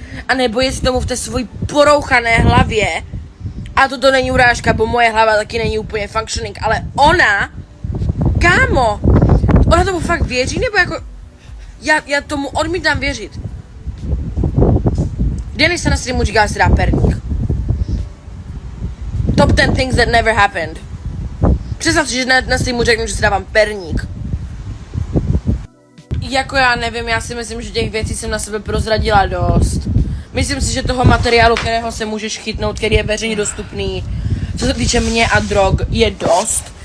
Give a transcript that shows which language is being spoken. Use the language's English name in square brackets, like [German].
[Czech] A nebo je si tomu v té svojí porouchané hlavě. A toto není urážka, bo moje hlava taky není úplně functioning, ale ona, kámo, ona tomu fakt věří, nebo jako, já tomu odmítám věřit. Denisa na streamu říká, že si dá perník. [English] Top 10 things that never happened. [Czech] Představ si, že na streamu řeknu, že si dávám perník. Jako já nevím, já si myslím, že těch věcí jsem na sebe prozradila dost. Myslím si, že toho materiálu, kterého se můžeš chytnout, který je veřejně dostupný, co se týče mě a drog, je dost.